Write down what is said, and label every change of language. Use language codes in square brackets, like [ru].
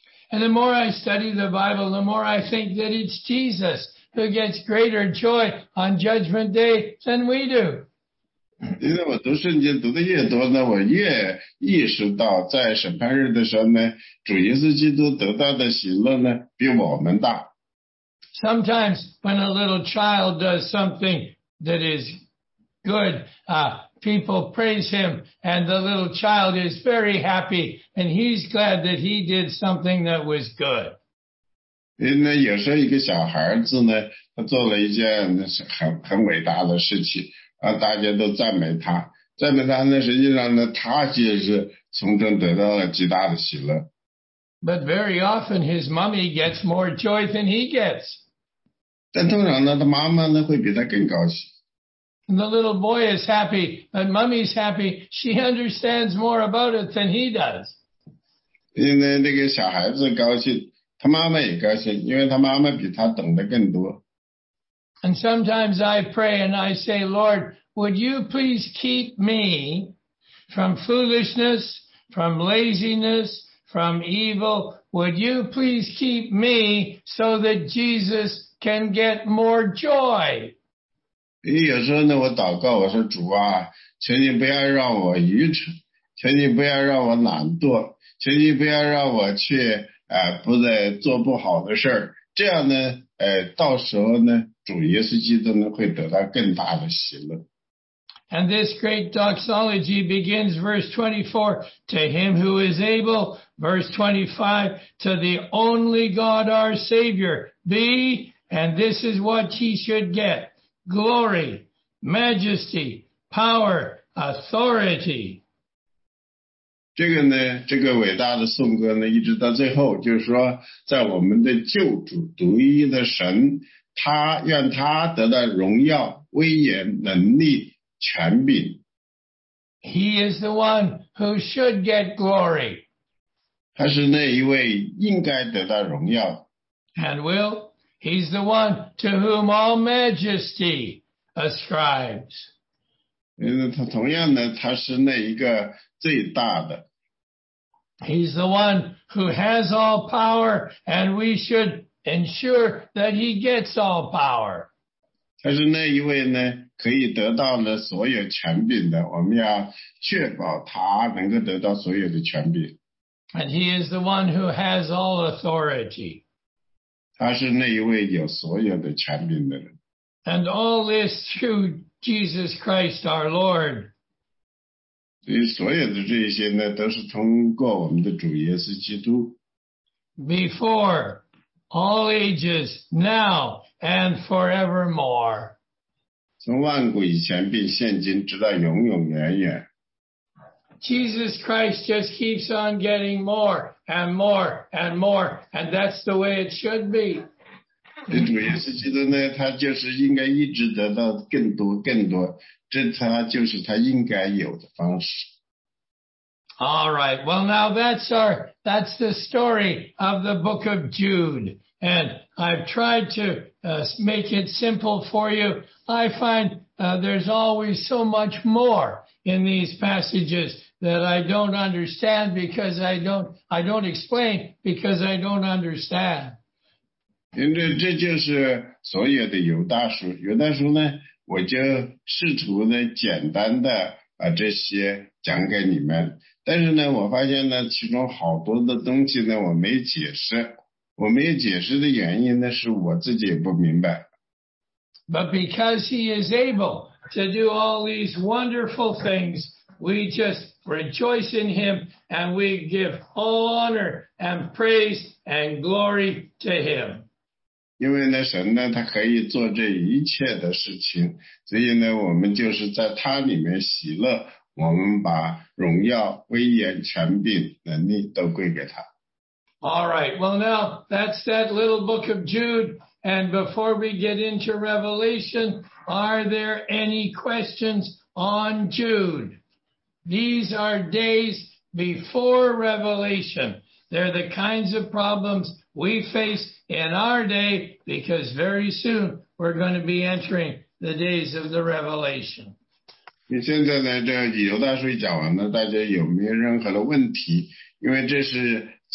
[en] And the more I study the Bible, the more I think that it's Jesus who gets greater joy on Judgment Day than we do. [zh] 因为我读圣经读的越多呢，我越意识到在审判日的时候呢，主耶稣基督得到的喜乐呢，比我们大。 [en] Sometimes when a little child does something that is good, people praise him, and the little child is very happy, and he's glad that he did something that was good. [zh] 那有时候一个小孩子呢，他做了一件很伟大的事情，啊，大家都赞美他，赞美他呢，实际上呢，他就是从中得到了极大的喜乐。 [en] But very often his mommy gets more joy than he gets. [zh] 但通常呢，他妈妈呢会比他更高兴。 [en] And the little boy is happy, but mommy's happy. She understands more about it than he does. [zh] 因为那个小孩子高兴，他妈妈也高兴，因为他妈妈比他懂得更多。 [en] And sometimes I pray and I say, Lord, would you please keep me from foolishness, from laziness, from evil? Would you please keep me so that Jesus can get more joy? [zh] 因为有时候呢，我祷告，我说主啊，求你不要让我愚蠢，求你不要让我懒惰，求你不要让我去不再做不好的事儿。这样呢，到时候呢，主耶稣基督呢会得到更大的喜乐。 [en] And this great doxology begins verse 24, to him who is able, verse 25, to the only God our Savior be, and this is what he should get, glory, majesty, power, authority. [zh] 这个呢，这个伟大的颂歌呢，一直到最后，就是说，在我们的救主独一的神，他愿他得到荣耀、威严、能力。权柄。 [en] He is the one who should get glory. [zh] 他是那一位应该得到荣耀。 [en] And will. He's the one to whom all majesty ascribes. [zh] 他同样呢，他是那一个最大的。 [en] He's the one who has all power, and we should ensure that he gets all power. [zh] 他是那一位呢可以得到了所有权柄的，我们要确保他能够得到所有的权柄。 [en] And he is the one who has all authority. [zh] 他是那一位有所有的权柄的人。 [en] And all this through Jesus Christ our Lord. [zh] 所有的这些呢，都是通过我们的主耶稣基督。 [en] Before all ages, now and forevermore. [zh] 从万古以前并现今直到永永远远。 [en] Jesus Christ just keeps on getting more and more and more, and that's the way it should be. [zh] 主耶稣基督呢，他就是应该一直得到更多更多，这他就是他应该有的方式。 [en] All right, well now that's the story of the book of Jude. And I've tried to make it simple for you. I find there's always so much more in these passages that I don't understand because I don't explain because I don't understand. [zh] 因为这就是所有的犹大书。犹大书呢，我就试图呢简单的把这些讲给你们。但是呢，我发现呢，其中好多的东西呢，我没解释。我没有解释的原因呢，是我自己也不明白。 [en] But because he is able to do all these wonderful things, we just rejoice in him and we give all honor and praise and glory to him. [zh] 因为呢，神呢，他可以做这一切的事情，所以呢，我们就是在他里面喜乐，我们把荣耀、威严、权柄、能力都归给他。 [en] All right, well now, that's that little book of Jude. And before we get into Revelation, are there any questions on Jude? These are days before Revelation. They're the kinds of problems we face in our day because very soon we're going to be entering the days of the Revelation. [zh] 现在呢，这以犹大书讲完了，大家有没有任何的问题？因为这是。